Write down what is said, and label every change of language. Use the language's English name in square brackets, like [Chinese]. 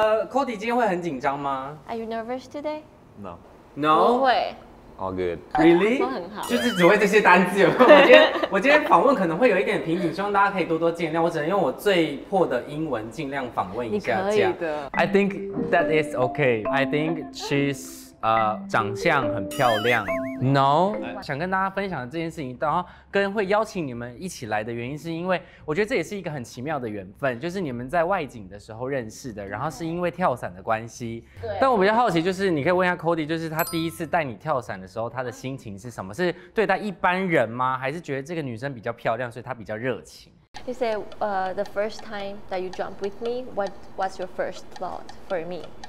[Chinese] Cody 今天会很紧张吗 [English] ？Are you nervous today? No. No， [Chinese] 不会 [English] ，All good， Really， [Chinese] 都很好，就是只会这些单字。我今天访问可能会有一点瓶颈，希望大家可以多多见谅。我只能用我最破的英文尽量访问一下。你可以的。 [English] I think that is okay. I think she's [Chinese] 长相很漂亮。 [English] No， [Chinese] 想跟大家分享这件事情，然后跟会邀请你们一起来的原因，是因为我觉得这也是一个很奇妙的缘分，就是你们在外景的时候认识的，然后是因为跳伞的关系。对。但我比较好奇，就是你可以问一下 Cody， 就是他第一次带你跳伞的时候，他的心情是什么？是对待一般人吗？还是觉得这个女生比较漂亮，所以他比较热情 [English] ？You say, the first time that you jump with me, what was your first thought for me?